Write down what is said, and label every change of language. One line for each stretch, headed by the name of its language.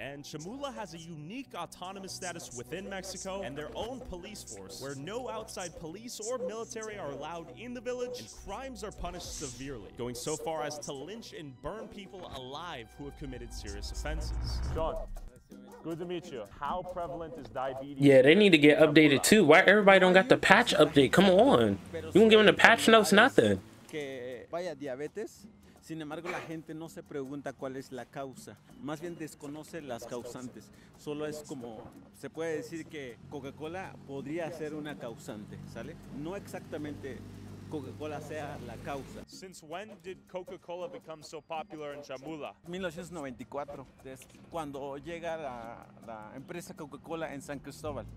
English: And Cholula has a unique autonomous status within Mexico and their own police force, where no outside police or military are allowed in the village, and crimes are punished severely. Going so far as to lynch and burn people alive who have committed serious offenses. John, good to meet you. How prevalent is diabetes? Yeah, they need to get updated too. Why everybody don't got the patch update? Come on. You won't give them the patch notes, nothing.
Spanish: Vaya diabetes. Sin embargo, la gente no se pregunta cuál es la causa. Más bien desconoce las causantes. Solo es como, se puede decir que Coca-Cola podría ser una causante, ¿sale? No exactamente... Coca-Cola sea la causa.
English: Since when did Coca-Cola become so popular in Cholula?
Spanish: 1994. Es cuando llega la empresa Coca-Cola en San Cristóbal.